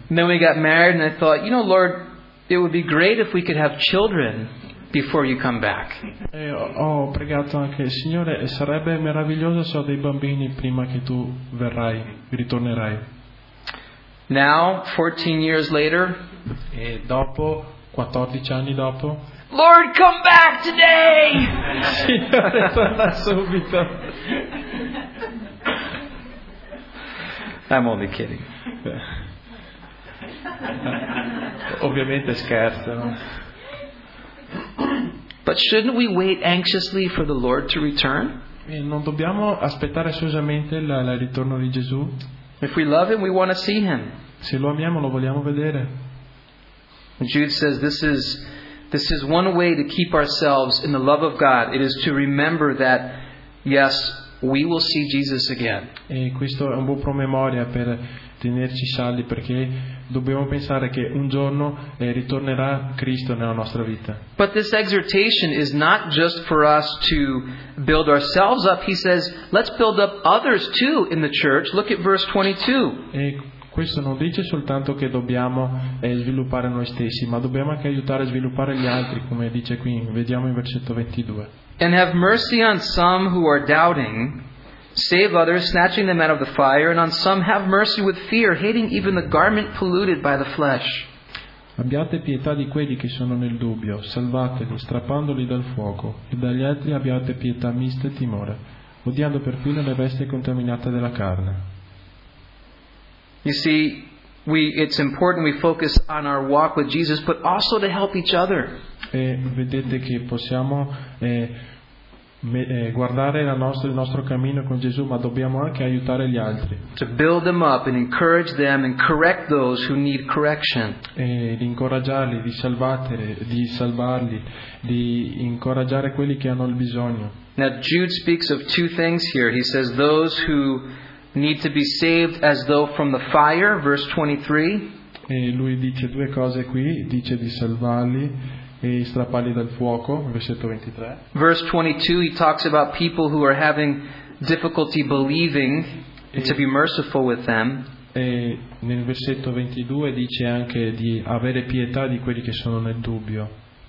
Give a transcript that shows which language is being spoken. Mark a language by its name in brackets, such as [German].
[English] Then we got married, and I thought, you know, Lord, it would be great if we could have children before you come back. [Italian] E ho pregato anche, Signore, sarebbe meraviglioso se ho dei bambini prima che tu verrai, ritornerai. [English] Now, 14 years later. [Italian] E dopo 14 anni dopo. [English] Lord, come back today. [Italian] Signore, torna subito. [English] I'm only kidding. [Italian] Ovviamente scherzo. No? [English] But shouldn't we wait anxiously for the Lord to return? [Italian] E non dobbiamo aspettare ansiosamente il ritorno di Gesù? [English] If we love him, we want to see him. [Italian] Se lo amiamo, lo vogliamo vedere. [English] Jude says this is one way to keep ourselves in the love of God. It is to remember that yes, we will see Jesus again. [Italian] E questo è un buon promemoria per tenerci saldi, perché dobbiamo pensare che un giorno ritornerà Cristo nella nostra vita. [English] But this exhortation is not just for us to build ourselves up. He says, let's build up others too in the church. Look at verse 22. [Italian] Questo non dice soltanto che dobbiamo sviluppare noi stessi, ma dobbiamo anche aiutare a sviluppare gli altri, come dice qui, vediamo in versetto 22. [English] And have mercy on some who are doubting, save others, snatching them out of the fire, and on some have mercy with fear, hating even the garment polluted by the flesh. [Italian] Abbiate pietà di quelli che sono nel dubbio, salvateli, strappandoli dal fuoco, e dagli altri abbiate pietà mista e timore, odiando perfino le vesti contaminate della carne. [English] You see, it's important we focus on our walk with Jesus, but also to help each other. [Italian] E vedete che possiamo guardare il nostro cammino con Gesù, ma dobbiamo anche aiutare gli altri. [English] To build them up and encourage them and correct those who need correction. [Italian] E di incoraggiarli, di salvarli, di incoraggiare quelli che hanno il bisogno. [English] Now Jude speaks of two things here. He says those who need to be saved as though from the fire, verse 23. [Italian] E lui dice due cose qui, dice di salvarli e strapparli dal fuoco, versetto 23. [English] Verse 22, he talks about people who are having difficulty believing, to be merciful with them. [Italian] E nel versetto 22 dice anche di avere pietà di quelli che sono nel dubbio.